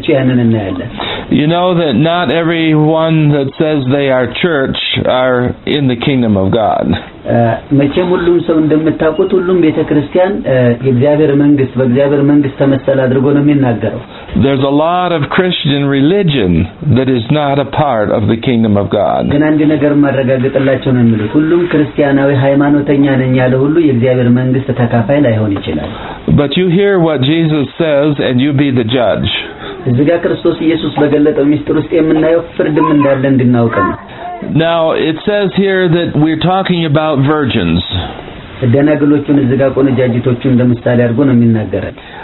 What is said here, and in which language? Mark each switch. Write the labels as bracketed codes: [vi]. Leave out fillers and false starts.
[en] You know that not everyone that says they are church are in the kingdom of God. [am] መቼም ሁሉም ሰው እንደምታውቁት ሁሉም ቤተክርስቲያን የእግዚአብሔር መንግስት በእግዚአብሔር መንግስት ተመሰለ አድርጎ ነው የሚናገረው. [en] There's a lot of Christian religion that is not a part of the kingdom of God. [am] ግን አንድ ነገር ማረጋግጥላችሁ ነው የሚሉት ሁሉም ክርስቲያናዊ ሃይማኖተኛ ነኝ ያለ ሁሉ የእግዚአብሔር መንግስት ተካፋይ ላይሆን ይችላል. [en] But you hear what Jesus says and you be the judge. [am] እዚጋ ክርስቶስ ኢየሱስ በገለጠው ምስጢር ውስጥ የምናየው ፍርድም እንዳለ እንድናውቅ ነው። [en] Now it says here that we're talking about virgins. [am] ደነግሎቹን እዚጋ ቆነጃጅቶቹን ለምሳሌ አድርጎ ነው የሚናገረው።